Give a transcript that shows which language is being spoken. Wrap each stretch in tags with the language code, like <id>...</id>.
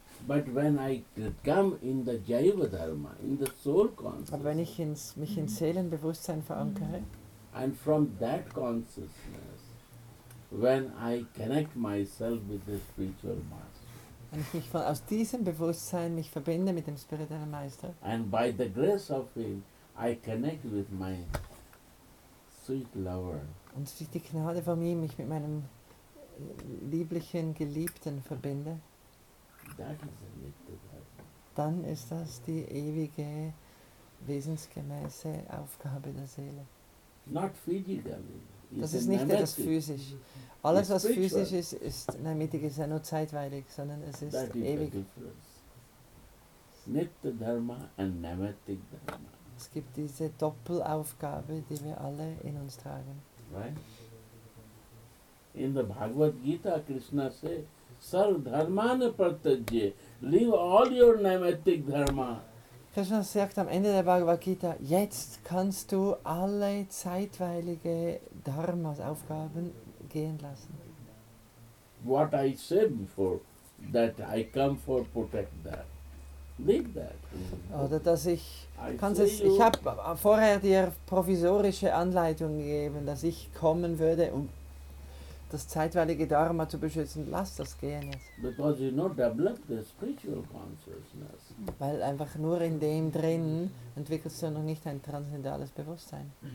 <en>But when I come in the Jaiva Dharma, in the soul consciousness.</en> <de>Aber wenn ich mich in Seelenbewusstsein verankere.</de> <en>And from that consciousness. When I connect myself with the spiritual master.</en> <de>Wenn ich mich aus diesem Bewusstsein mich verbinde mit dem spirituellen Meister.</de> <en>And by the grace of him, I connect with my sweet lover.</en> <de>Und durch die Gnade von ihm mich mit meinem lieblichen Geliebten verbinde.</de> <en>That is a little bit.</en> <de>Dann ist das die ewige, wesensgemäße Aufgabe der Seele.</de> <en>Not physically.</en> <de>Das ist nicht etwas physisch. Alles, was physisch ist, ist nemitig, ist ja nur zeitweilig, sondern es ist ewig. Nitya Dharma und nemitig Dharma. Es gibt diese Doppelaufgabe, die wir alle in uns tragen.</de> <en>Right? In the Bhagavad Gita, Krishna says, Sar dharmana pratyajye, leave all your nemitig Dharma.</en> <de>Krishna sagt am Ende der Bhagavad Gita, jetzt kannst du alle zeitweilige Dharma-Aufgaben gehen lassen.</de> <en>What I said before, that I come for protect that. Leave that.</en> <de>Oder dass ich, kannst es, ich habe vorher dir provisorische Anleitung gegeben, dass ich kommen würde, um das zeitweilige Dharma zu beschützen, lass das gehen jetzt.</de> <en>Because you not develop the spiritual consciousness.</en> <de>Weil einfach nur in dem drin entwickelst du noch nicht ein transzendentales Bewusstsein.</de>